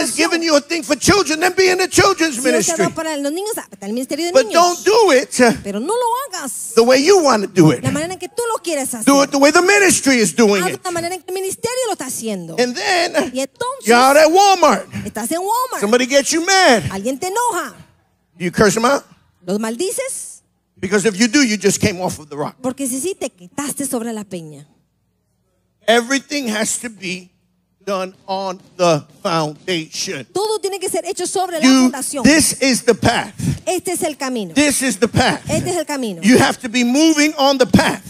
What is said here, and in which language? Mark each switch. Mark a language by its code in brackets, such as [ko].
[en] has given you a thing for children, then be in the children's [es] si [en] ministry. [es] Si eres adorador para los niños, está en el ministerio de [en] but [es] niños. [en] But don't do it. [es] Pero no lo hagas. [en] The way you want to do it. [es] La manera en que tú lo quieres hacer. [en] Do it the way the ministry is doing [es] haz [en] it. [es] La manera en que el ministerio lo está haciendo. [en] And then [es] y entonces, [en] you're out at Walmart. [es] Estás en Walmart. [en] Somebody gets you mad. [es] Alguien te enoja. [en] Do you curse them out? [es] ¿Los maldices? [en] Because if you do, you just came off of the rock. [es] Porque si sí, te quitaste sobre la peña. [en] Everything has to be done on the foundation. [es] Todo tiene que ser hecho sobre [en] you, [es] la fundación. [en] This is the path. [es] Este es el camino. [en] This is the path. [es] Este es el camino. [en] You have to be moving on the path.